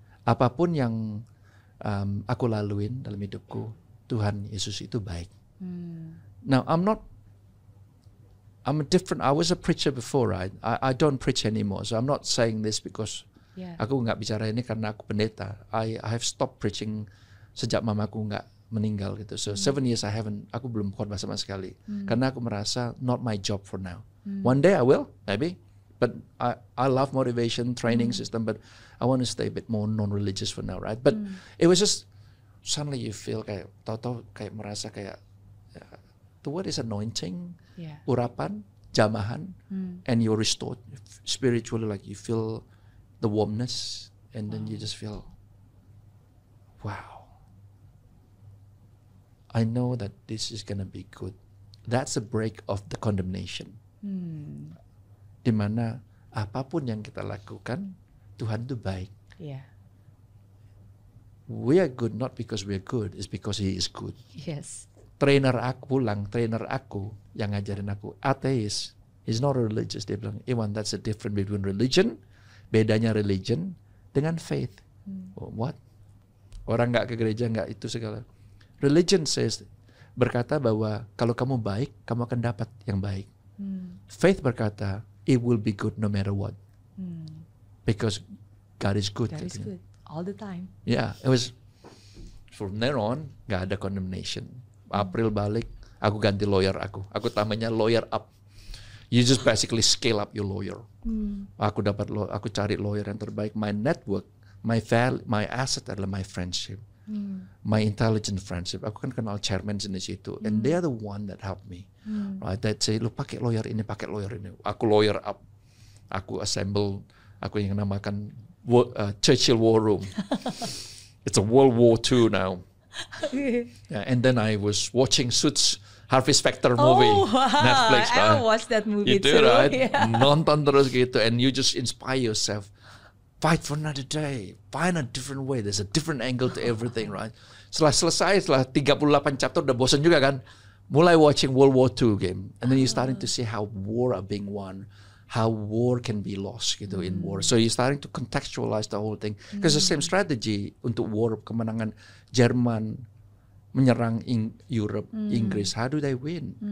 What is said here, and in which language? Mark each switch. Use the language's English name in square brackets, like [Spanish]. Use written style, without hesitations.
[Indonesian] Apapun yang aku laluin dalam hidupku, Tuhan Yesus itu baik. [English] Now I'm a different. I was a preacher before, right? I don't preach anymore, so I'm not saying this because [Indonesian] aku nggak bicara ini karena aku pendeta. [English] I have stopped preaching [Indonesian] sejak mamaku nggak meninggal gitu. [English] So 7 years [Indonesian] aku belum khotbah sama sekali karena aku merasa [English] not my job for now. One day I will maybe, but I love motivation training system, but I want to stay a bit more non-religious for now, right? But it was just suddenly you feel [Indonesian] kayak tau-tau kayak merasa kayak [English] the word is anointing. Yeah. [Indonesian] Urapan, jamahan, [English] and you're restored spiritually, like you feel the warmness, and then you just feel, wow, I know that this is gonna be good. That's a break of the condemnation. [Indonesian] Dimana apapun yang kita lakukan, Tuhan itu baik. Yeah. [English] We are good not because we are good, it's because He is good. Yes. [Indonesian] Trainer aku yang ngajarin aku, ateis, [English] he's not a religious, [Indonesian] dia bilang, Iwan, [English] that's a different between religion, [Indonesian] bedanya religion dengan faith. [English] Oh, what? [Indonesian] Orang nggak ke gereja, nggak itu segala. [English] Religion says, [Indonesian] berkata bahwa kalau kamu baik, kamu akan dapat yang baik. [English] Faith berkata, it will be good no matter what. Because God is good. God is good all the time. Yeah, it was from there on, [Indonesian] nggak ada [English] condemnation. [Indonesian] April balik, aku ganti lawyer aku. Aku tamanya [English] lawyer up. You just basically scale up your lawyer. [Indonesian] Aku dapat aku cari lawyer yang terbaik. [English] My network, my asset [Indonesian] adalah [English] my friendship, my intelligent friendship. [Indonesian] Aku kan kenal chairman di situ, [English] and they are the one that help me. Right? [Indonesian] They say, lu pakai lawyer ini, pakai lawyer ini. Aku lawyer up. Aku assemble. Aku yang namakan Churchill War Room. [English] It's a World War II now. Yeah, and then I was watching Suits, Harvey Specter movie. Oh, wow. Netflix. I right? watched that movie too. You do, right? Yeah. [Indonesian] Nonton terus gitu, [English] and you just inspire yourself. Fight for another day. Find a different way. There's a different angle to everything, right? [Indonesian] Setelah selesai, setelah 38 chapter, udah bosan juga kan? Mulai [English] watching World War II game. And then you're starting to see how war are being won. How war can be lost [Indonesian] gitu [English] in war. So you're starting to contextualize the whole thing. Because the same strategy [Indonesian] untuk [English] war, [Indonesian] kemenangan Jerman menyerang Europe, Inggris, [English] how do they win?